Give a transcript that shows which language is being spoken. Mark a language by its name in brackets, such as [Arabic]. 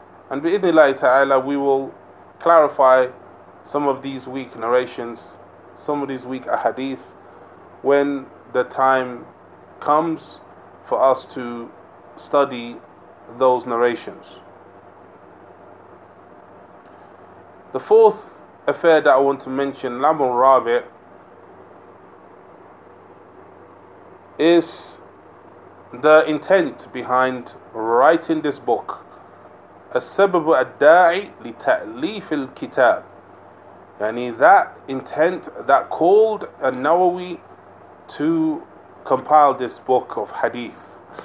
[English] And bi-idhnillahi ta'ala, we will clarify some of these weak narrations, some of these weak ahadith, when the time comes for us to study those narrations. The fourth affair that I want to mention, Lamul Rabi', is the intent behind writing this book. [Arabic] السبب الداعي لتأليف الكتاب. [English] Yani that intent that called An-Nawawi to compile this book of hadith.